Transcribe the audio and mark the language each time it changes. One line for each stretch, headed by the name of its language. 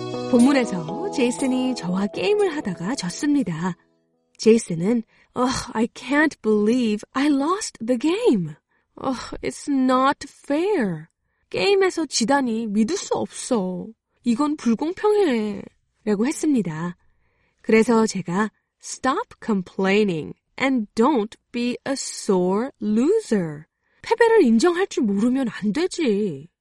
Korean: 본문에서 제이슨이 저와 게임을 하다가 졌습니다. 제이슨은
English: Oh, I can't believe I lost the game. Oh, it's not fair.
Korean: 게임에서 지다니 믿을 수 없어. 이건 불공평해. 라고 했습니다. 그래서 제가
English: Stop complaining and don't be a sore loser.
Korean: 패배를 인정할 줄 모르면 안 되지.